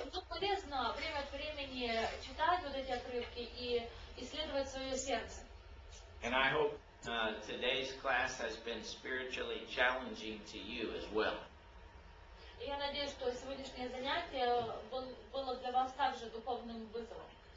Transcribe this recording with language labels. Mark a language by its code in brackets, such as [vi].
[ru] Полезно время от времени читать вот эти отрывки и исследовать свое сердце. [en] And I hope today's class has been spiritually challenging to you as well. [ru] Я надеюсь, что сегодняшнее занятие было для вас также духовным вызовом.